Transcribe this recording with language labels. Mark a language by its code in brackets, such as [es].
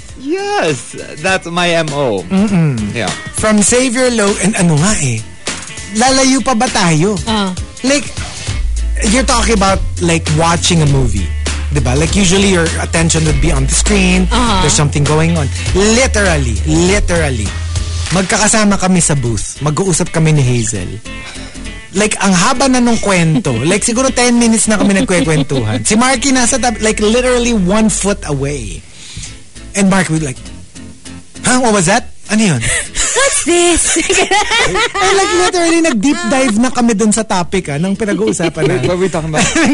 [en] Yes. That's my MO. Mm-mm. Yeah. From Savior Low, and [tl] ano nga eh, lalayo pa ba tayo? [en] Like, you're talking about like watching a movie. Diba? Like usually your attention would be on the screen. Uh-huh. There's something going on. Literally. [tl] Magkakasama kami sa booth. Mag-uusap kami ni Hazel. [en] Like, [tl] ang haba na nung kwento. Like, siguro 10 minutes na kami nagkwekwentuhan. Si Markki nasa tab, [en] like, literally 1 foot away. And Markki would like, huh? What was that? [tl] Ano yun? [en] What's this? And like, literally, [tl] nag-deep dive na kami dun sa topic, ha? Nang pinag-uusapan na. [en] What are we talking about?